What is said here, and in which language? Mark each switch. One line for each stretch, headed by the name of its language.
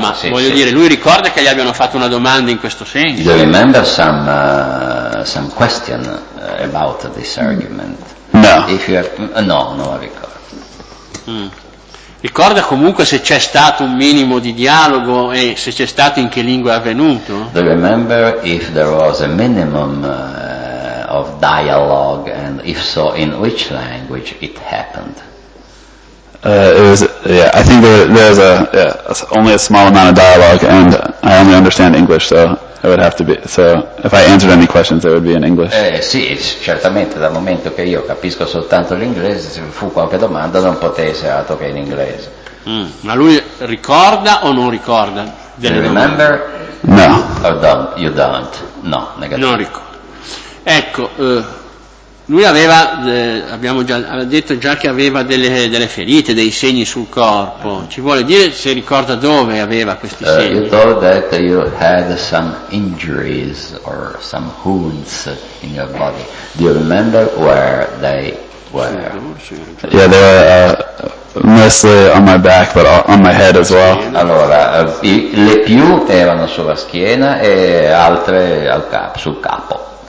Italian: Voglio dire, lui ricorda che gli abbiano fatto una domanda in questo senso.
English: Do you remember some question about this argument? No. If you have,
Italian: no, non lo ricordo. Ricorda comunque se c'è stato un minimo di dialogo e se c'è stato in che lingua è avvenuto?
English: Do you remember if there was a minimum of dialogue and if so in which language it happened? I think there's only a small amount of dialogue and I only understand English, so it would have to be, so if I answered any questions it would be in English.
Italian: Sì, certamente dal momento che io capisco soltanto l'inglese, se fu qualche domanda non potesse essere altro che in inglese. Ma lui ricorda o non ricorda?
English: Do you remember? No. Or don't? You don't? No, negativo.
Italian: Non ricordo. Ecco, lui aveva, abbiamo già detto già che aveva delle ferite, dei segni sul corpo. Ci vuole dire se ricorda dove aveva questi segni?
English: You told that you had some injuries or some wounds in your body. Do you remember where they were? Yeah, they were mostly on my back, but on my head as well.
Italian: Allora, le più erano sulla schiena e altre al capo, sul capo.